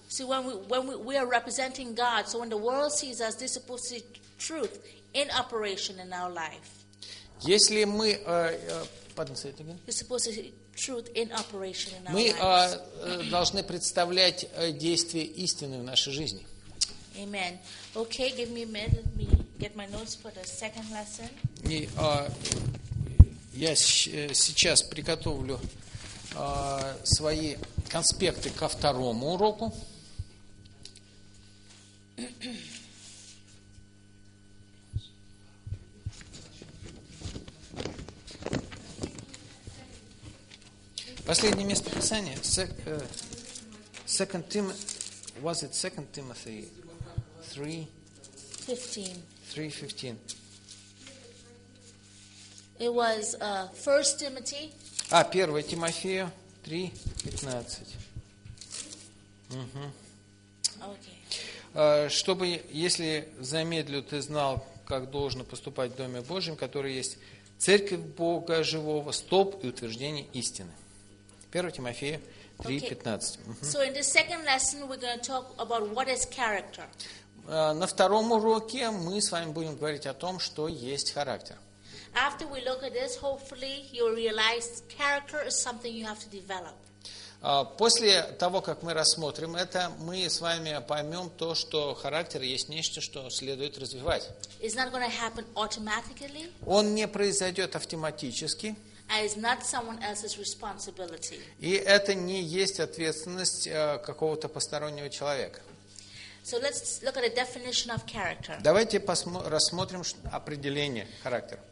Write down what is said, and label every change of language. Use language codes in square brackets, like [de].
[en] See, when we are representing God, so when the world sees us, they're supposed to see truth in operation in our life. [ru] Если мы, [en] pardon, say it again. We're supposed to see truth in operation in our life. [ru] Мы должны представлять действие истины в нашей жизни. [en] Amen. Okay, give me a minute. Let me get my notes for the second lesson. [ru] И я сейчас приготовлю свои конспекты ко второму уроку. Последнее место писания. [en] Second Timothy, was it Second Timothy 3:15. It was 1 Timothy. [ru] А, 1 Тимофею 3, 15. Угу. [en] Okay. [ru] Чтобы, если замедлю, ты знал, как должно поступать в Доме Божьем, который есть Церковь Бога Живого, столб и утверждение истины. 1 Тимофея 3, okay. 15. Угу. [en] So in the second lesson we're going to talk about what is character. [ru] На втором уроке мы с вами будем говорить о том, что есть характер. [en] After we look at this, hopefully you'll realize character is something you have to develop. [ru] После того, как мы рассмотрим это, мы с вами поймем то, что характер есть нечто, что следует развивать. [en] It's not going to happen automatically. [ru] Он не произойдет автоматически. [en] And it's not someone else's responsibility. [ru] И это не есть ответственность какого-то постороннего человека. [en] So let's look at a definition of character. [ru] Давайте рассмотрим определение характера.